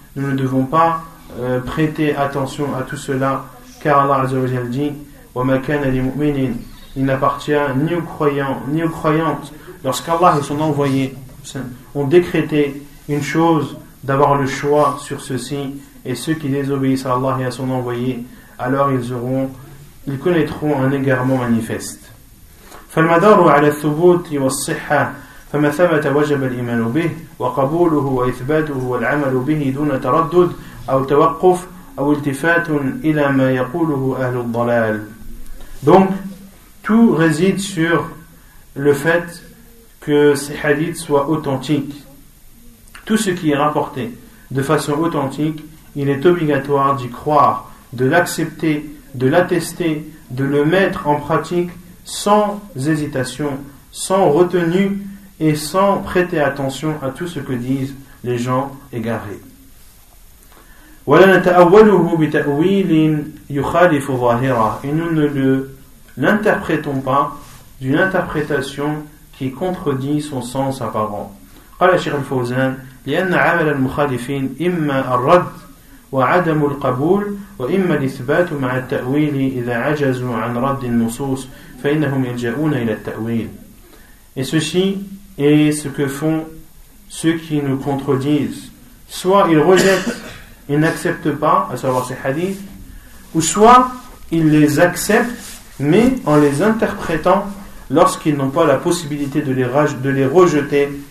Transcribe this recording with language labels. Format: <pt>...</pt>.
<fr>Nous ne devons pas prêtez attention à tout cela, car Allah Azza wa Jal dit</fr> <ar>wa ma kana lil mu'minin,</ar> <fr>il n'appartient ni aux croyants ni aux croyantes, lorsqu'Allah et son envoyé ont décrété une chose, d'avoir le choix sur ceci, et ceux qui désobéissent à Allah et à son envoyé, alors ils connaîtront un égarement manifeste.</fr> <ar>فالمدار على الثبوت والصحة فما ثبت وجب الإيمان به وقبوله وإثباته والعمل به دون تردد أو توقف أو التفات إلى ما يقوله أهل الضلال.</ar> <fr>Donc, tout réside sur le fait que ces hadiths soient authentiques. Tout ce qui est rapporté de façon authentique, il est obligatoire d'y croire, de l'accepter, de l'attester, de le mettre en pratique sans hésitation, sans retenue et sans prêter attention à tout ce que disent les gens égarés.</fr> <ar>ولا نتأوله بتأويل يخالف ظاهره.</ar> <fr>Et nous ne l'interprétons pas d'une interprétation qui contredit son sens apparent.</fr> <ar>قال الشيخ الفوزان لأن عمل المخالفين إما الرد وعدم القبول وإما الإثبات مع التأويل إذا عجزوا عن رد النصوص فإنهم يلجؤون إلى التأويل.</ar> <fr>Et ceci est ce que font ceux qui nous contredisent. Soit ils rejettent ils n'acceptent pas, à savoir ces hadiths, ou soit ils les acceptent, mais en les interprétant lorsqu'ils n'ont pas la possibilité de les rejeter.</fr>